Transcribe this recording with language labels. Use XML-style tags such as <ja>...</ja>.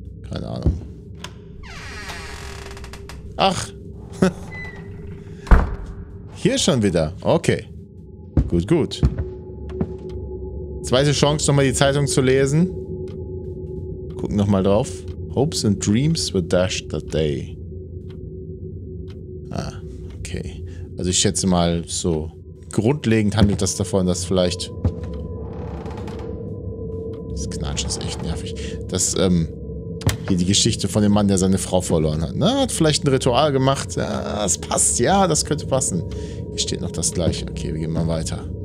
<de>Keine Ahnung. Ach. Hier schon wieder. Okay. Gut, gut. Zweite Chance, nochmal die Zeitung zu lesen. Gucken nochmal drauf.</de> <en>Hopes and dreams were dashed that day.</en> <de>Ah, okay. Also ich schätze mal, so grundlegend handelt das davon, dass vielleicht... Das Knatschen ist echt nervig. Dass, hier die Geschichte von dem Mann, der seine Frau verloren hat. Na, hat vielleicht ein Ritual gemacht. Ja, das passt, ja, das könnte passen. Hier steht noch das Gleiche. Okay, wir gehen mal weiter.</de>